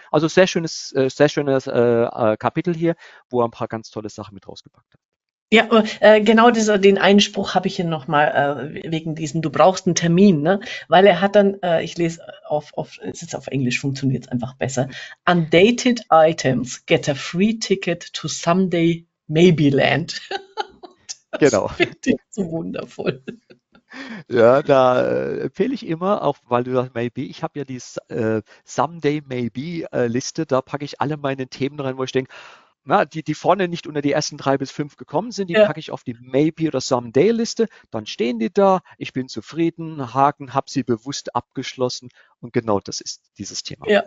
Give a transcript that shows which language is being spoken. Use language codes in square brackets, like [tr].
[de] Also sehr schönes Kapitel hier, wo er ein paar ganz tolle Sachen mit rausgepackt hat. Ja, genau den Einspruch habe ich hier nochmal wegen diesen, du brauchst einen Termin, ne? Weil er hat dann, ich lese es ist auf Englisch, funktioniert es einfach besser. [en] Undated items get a free ticket to someday maybe land. [de] Das Genau. finde ich so wundervoll. Ja, da empfehle ich immer, auch weil du sagst, maybe, ich habe ja die Someday Maybe Liste, da packe ich alle meine Themen rein, wo ich denke, na, die vorne nicht unter die ersten 3 bis 5 gekommen sind, die packe ich auf die Maybe oder Someday Liste, dann stehen die da, ich bin zufrieden, Haken, habe sie bewusst abgeschlossen und genau das ist dieses Thema.